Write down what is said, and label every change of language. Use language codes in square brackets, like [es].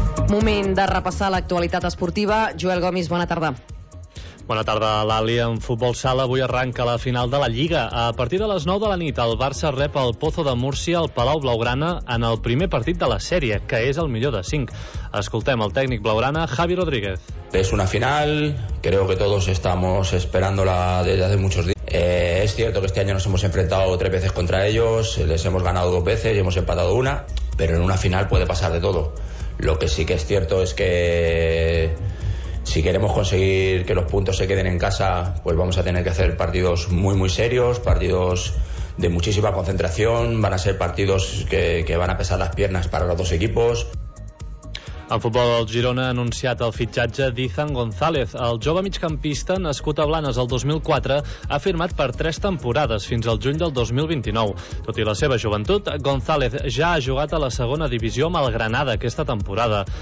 [ca] Moment de repassar l'actualitat esportiva. Joel Gomis, bona tarda. Bona tarda, l'Ali. En futbol sala avui arranca la final de la Lliga. A partir de les 9 de la nit, el Barça rep el Pozo de Múrcia al Palau Blaugrana en el primer partit de la sèrie, que és el millor de 5. Escoltem el tècnic blaugrana, Javi Rodríguez. [es] Es una final, creo que todos estamos esperándola desde hace muchos días. Es cierto que este año nos hemos enfrentado 3 veces contra ellos, les hemos ganado 2 veces y hemos empatado 1, pero en una final puede pasar de todo. Lo que sí que es cierto es que si queremos conseguir que los puntos se queden en casa, pues vamos a tener que hacer partidos muy muy serios, partidos de muchísima concentración, van a ser partidos que van a pesar las piernas para los dos equipos. [ca] En futbol, el Girona ha anunciat el fitxatge d'Izan González. El jove migcampista, nascut a Blanes el 2004, ha firmat per 3 temporades fins al juny del 2029. Tot i la seva joventut, González ja ha jugat a la segona divisió amb el Granada aquesta temporada.